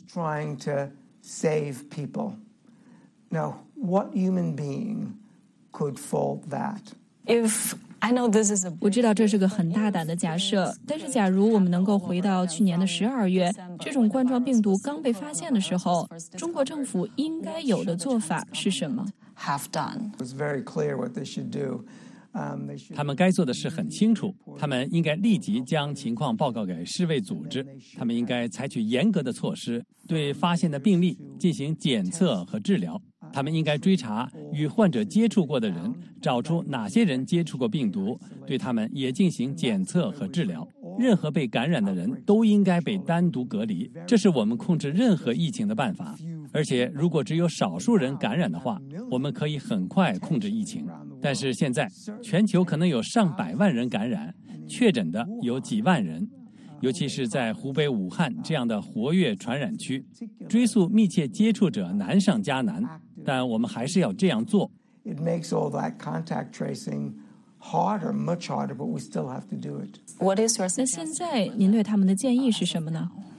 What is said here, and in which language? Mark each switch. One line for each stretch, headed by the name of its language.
English: Trying to save people. Now, what human being could fault that? If I know this is a
Chinese: 我知道这是个很大胆的假设，但是假如我们能够回到去年的12月，这种冠状病毒刚被发现的时候，中国政府应该有的做法是什么？
English: Have done. It was very clear what they should do.
Chinese: 他们该做的事很清楚，他们应该立即将情况报告给世卫组织，他们应该采取严格的措施，对发现的病例进行检测和治疗，他们应该追查与患者接触过的人，找出哪些人接触过病毒，对他们也进行检测和治疗。任何被感染的人都应该被单独隔离，这是我们控制任何疫情的办法。而且如果只有少数人感染的话，我们可以很快控制疫情。但是现在全球可能有上百万人感染，确诊的有几万人，尤其是在湖北武汉这样的活跃传染区，追溯密切接触者难上加难，但我们还是要这样做。
English: It makes all that contact tracing harder, much harder, but we still have to do it. What is your suggestion?
Chinese: 那现在您对他们的建议是什么呢？